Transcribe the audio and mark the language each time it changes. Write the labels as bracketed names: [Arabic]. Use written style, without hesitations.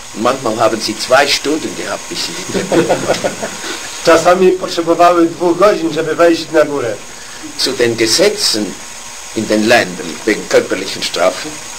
[German] Manchmal haben sie 2 Stunden gehabt, bis sie die Treppe. [Polish] Czasami potrzebowały dwóch godzin, żeby wejść na górę. [German] Zu den Gesetzen in den Ländern wegen körperlichen Strafen.